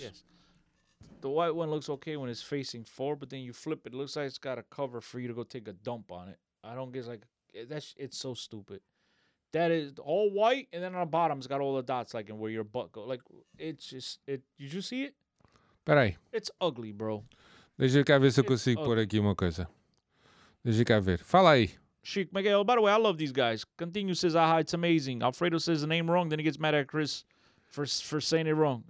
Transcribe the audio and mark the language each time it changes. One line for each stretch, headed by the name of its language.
English: Yes. The white one looks okay when it's facing forward, but then you flip it. It looks like it's got a cover for you to go take a dump on it. I don't get like... It's so stupid. That is all white, and then on the bottom, it's got all the dots, like, and where your butt go. Like, it's just, it. Did you see it?
Portuguese: Peraí.
English: It's ugly, bro.
Portuguese: Deixa eu ver se eu consigo pôr aqui uma coisa. Deixa eu ver. Fala aí.
English: Chico Miguel, by the way, I love these guys. Continue, says, aha, it's amazing. Alfredo says the name wrong, then he gets mad at Chris for saying it wrong.